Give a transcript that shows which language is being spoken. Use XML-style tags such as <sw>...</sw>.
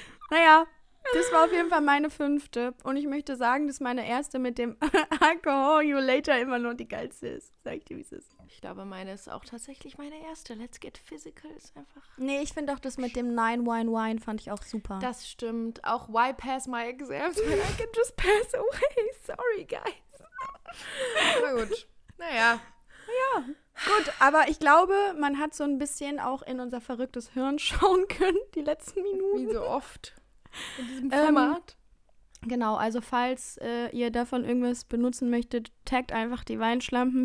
<de>Naja, das war auf jeden Fall meine fünfte. Und ich möchte sagen, dass meine erste mit dem Alcohol You Later immer noch die geilste ist. Sag ich dir, wie es ist. Ich glaube, meine ist auch tatsächlich meine erste. Let's get physical ist einfach. Nee, ich finde auch das mit dem 9-Wine-Wine fand ich auch super. Das stimmt. Auch</de> <en>why pass my exams when I can just pass away? Sorry, guys.</en> <de>Na gut. Naja. Ja. Gut, aber ich glaube, man hat so ein bisschen auch in unser verrücktes Hirn schauen können, die letzten Minuten. Wie so oft. In diesem Format. Genau, also falls ihr davon irgendwas benutzen möchtet, taggt einfach die Weinschlampen.</de>